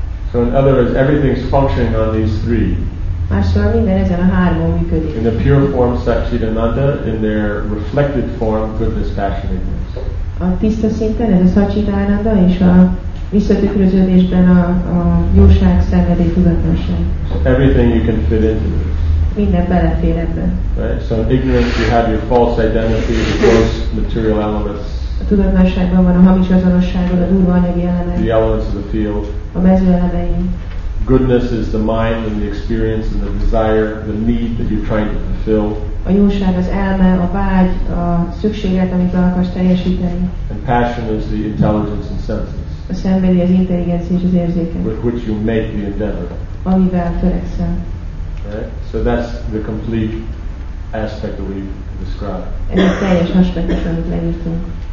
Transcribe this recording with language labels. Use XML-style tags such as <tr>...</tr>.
<en>So in other words, everything's functioning on these three. In the pure form, Satchitananda, in their reflected form, goodness, passion, ignorance.</en> <hu>A tiszta szinten ez a Satchitananda, és a visszatükröződésben a jóság, szenvedély, tudatosság.</hu> <en>So everything you can fit into this.</en> <hu>Minden belefér ebben.</hu> <en>Right? So in ignorance you have your false identity, the gross material elements.</en> <hu>A tudatlanságban van a hamis azonosságod, a durva anyagi elemek.</hu> <en>The elements of the field.</en> <hu>A mezőelemei.</hu> <en>Goodness is the mind and the experience and the desire, the need that you're trying to fulfill.</en> <hu>A jóság az elme, a vágy, a szükséget, amit be akarsz teljesíteni.</hu> <en>And passion is the intelligence and senses.</en> <hu>A szenvedély az intelligencia és az érzéke.</hu> <en>With which you make the endeavor.</en> <hu>Amivel törekszel.</hu> <en>Okay? So that's the complete aspect that we've described.</en> <hu>Ez a teljes aspektus, amit leírtunk.</hu>